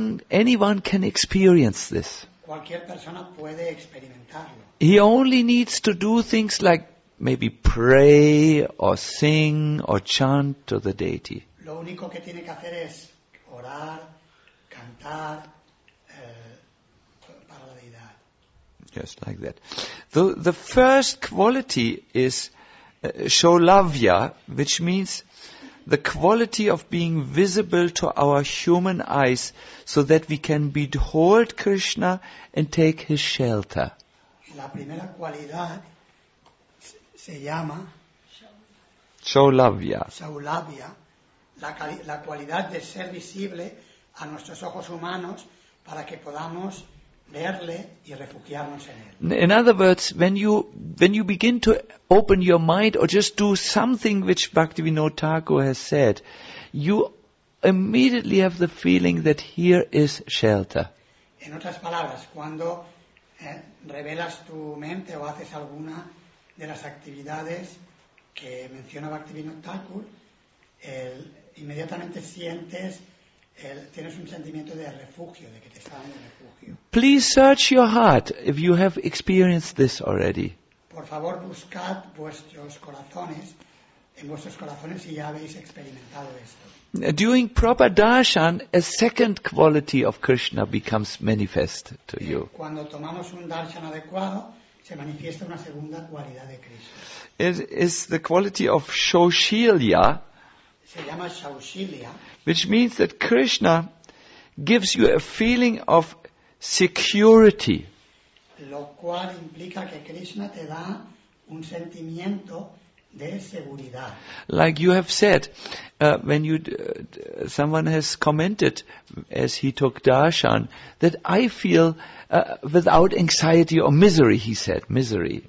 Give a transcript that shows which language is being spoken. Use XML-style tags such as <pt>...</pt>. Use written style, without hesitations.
<en>Anyone can experience this.</en> <es>Cualquier persona puede experimentarlo.</es> <en>He only needs to do things like maybe pray or sing or chant to the deity.</en> <es>Lo único que tiene que hacer es orar, cantar, para la deidad.</es> <en>Just like that. The first quality is Sholavya, which means the quality of being visible to our human eyes so that we can behold Krishna and take his shelter.</en> <es>La primera cualidad se llama Sholavya. Sholavya. La cualidad de ser visible a nuestros ojos humanos para que podamos verle y refugiarnos en él.</es> <en>In other words, when you begin to open your mind or just do something which Bhaktivinoda Thakur has said, you immediately have the feeling that here is shelter.</en> <es>En otras palabras, cuando revelas tu mente o haces alguna de las actividades que menciona Bhaktivinoda Thakur, el inmediatamente sientes, tienes un sentimiento de refugio, de que te están dando refugio.</es> <en>Please search your heart if you have experienced this already.</en> <es>Por favor, buscad vuestros corazones, en vuestros corazones si ya habéis experimentado esto.</es> <en>During proper darshan, a second quality of Krishna becomes manifest to you.</en> <es>Cuando tomamos un darshan adecuado, se manifiesta una segunda cualidad de Krishna.</es> <en>It is the quality of Shoshilya.</en> <es>Se llama Shaushilya,</es> <en>which means that Krishna gives you a feeling of security.</en> <es>Lo cual implica que Krishna te da un sentimiento de seguridad.</es> <en>Like you have said, when you someone has commented as he took darshan, that I feel without anxiety or misery, he said, misery.</en>